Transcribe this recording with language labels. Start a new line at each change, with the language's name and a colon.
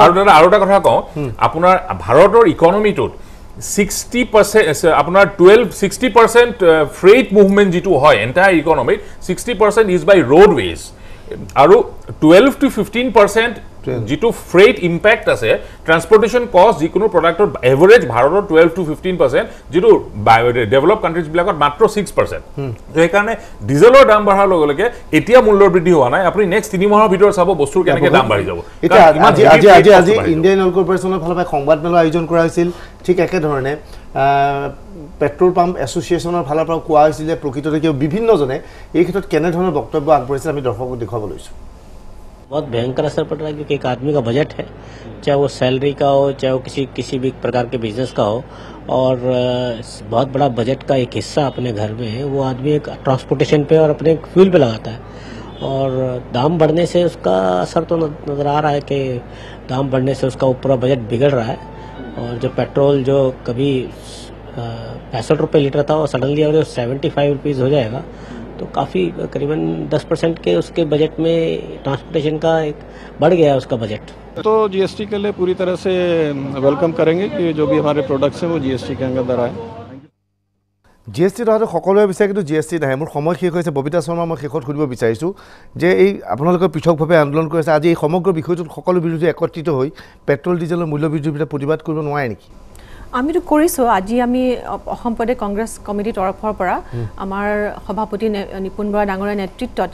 Assamese: আৰু দাদা আৰু এটা কথা কওঁ, আপোনাৰ ভাৰতৰ ইকনমিটোত 60% আপোনাৰ 60% ফ্ৰেইট মুভমেণ্ট যিটো হয় এণ্টায়াৰ ইকনমিত 60% ইজ বাই ৰোডৱেজ, আৰু 12-15% যিটো ফ্ৰেইট ইম্পেক্ট আছে ট্ৰান্সপৰ্টেশ্যন কষ্ট যিকোনো প্ৰডাক্টৰ এভাৰেজ ভাৰতৰ 12-15%, যিটো ডেভেলপ কাণ্ট্ৰিজবিলাকত মাত্ৰ 6%, সেইকাৰণে ডিজেলৰ দাম বঢ়াৰ লগে লগে এতিয়া মূল্য বৃদ্ধি হোৱা নাই, আপুনি নেক্সট 3 মাহৰ ভিতৰত চাব বস্তুৰ কেনেকৈ দাম বাঢ়ি যাব। আজি ইণ্ডিয়ান অইল কৰ্পৰেশ্যনৰ ফালৰ পৰা সংবাদ মেলৰ আয়োজন কৰা হৈছিল, ঠিক একেধৰণে পেট্ৰল পাম্প এছ'চিয়েশ্যনৰ ফালৰ পৰাও কোৱা হৈছিল যে প্ৰকৃততে কিয় বিভিন্নজনে এই ক্ষেত্ৰত কেনেধৰণৰ বক্তব্য আগবঢ়াইছিল আমি দৰ্শকক দেখুৱাব লৈছোঁ।
Hindi: बहुत भयंकर असर पड़ रहा है, क्योंकि एक आदमी का बजट है, चाहे वो सैलरी का हो चाहे वो किसी भी प्रकार के बिजनेस का हो, और बहुत बड़ा बजट का एक हिस्सा अपने घर में है वो आदमी एक ट्रांसपोर्टेशन पे और अपने फ्यूल पे लगाता है, और दाम बढ़ने से उसका असर तो नज़र आ रहा है कि दाम बढ़ने से उसका पूरा बजट बिगड़ रहा है, और जो पेट्रोल जो कभी 65 रुपये लीटर था वो सडनली अगर 75 रुपीज़ हो जाएगा तो काफ़ी करीबन 10% के उसके बजट में ट्रांसपोर्टेशन का एक बढ़ गया है उसका बजट। तो GST के लिए पूरी तरह से वेलकम करेंगे कि जो भी हमारे प्रोडक्ट्स हैं वो GST के अंदर आए।
Assamese: GST অহাটো সকলোৱে বিচাৰে, কিন্তু GST নাহে। মোৰ সময় শেষ হৈছে, ববিতা শৰ্মা, মই শেষত সুধিব বিচাৰিছোঁ যে এই আপোনালোকে পৃথকভাৱে আন্দোলন কৰি আছে, আজি এই সমগ্ৰ বিষয়টোত সকলো বিৰোধী একত্ৰিত হৈ পেট্ৰল ডিজেলৰ মূল্য বৃদ্ধিৰ বিৰুদ্ধে প্ৰতিবাদ কৰিব নোৱাৰে নেকি? আমিতো কৰিছোঁ, আজি আমি অসম প্ৰদেশ কংগ্ৰেছ কমিটিৰ তৰফৰ পৰা আমাৰ সভাপতি নিপুণ বৰা ডাঙৰীয়া নেতৃত্বত